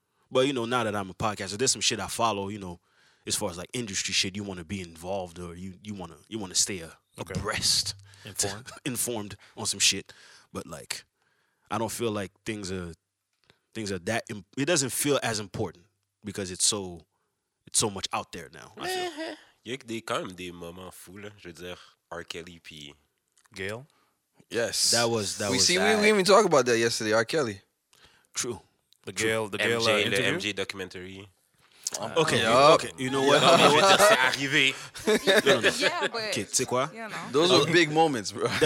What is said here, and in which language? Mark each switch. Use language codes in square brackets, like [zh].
[en] But, now that I'm a podcaster, there's some shit I follow, as far as like industry shit, you want to be involved or you want to stay abreast, informed on some shit, but like, I don't feel like things are that. It doesn't feel as important because it's so it's so much out there now. [fr] Il y a des, quand même des moments fous, là. Je veux dire, R. Kelly puis Gayle. [en] Yes. That we was see, we didn't even talk about that yesterday, R. Kelly. True. The Gayle, the Gayle MJ, interview. The MJ documentary. Okay, yep. Okay. You know what? Yeah, no, [fr] mais c'est arrivé. [en] Yeah, [fr] okay, tu sais quoi? [en] You know. Those were big moments, bro.